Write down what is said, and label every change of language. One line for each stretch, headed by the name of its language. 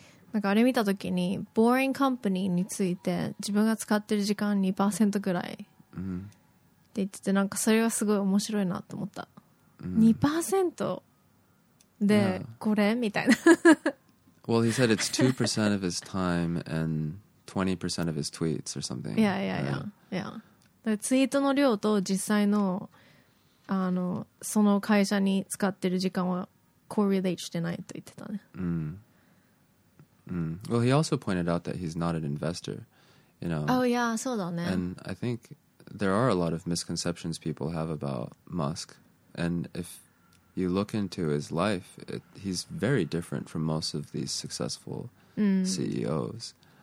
Japanese: なんかあれ見たときに、Boring Company について自分が使ってる時間 2% ぐらいって言ってて、なんかそれはすごい面白いなと思った。 2% でこれ、みたいな。
English: Well, he said it's 2% of his time and 20% of his tweets or something. Yeah.
Japanese: ツイートの量と実際のあのその会社に使ってる時間はコーレレートしてないと言ってたね。
English: Well, he also pointed out that he's not an investor, you know. Oh yeah,
Japanese: そうだね。
English: And I think there are a lot of misconceptions people have about Musk. And if you look into his life, he's very different from most of these successful CEOs.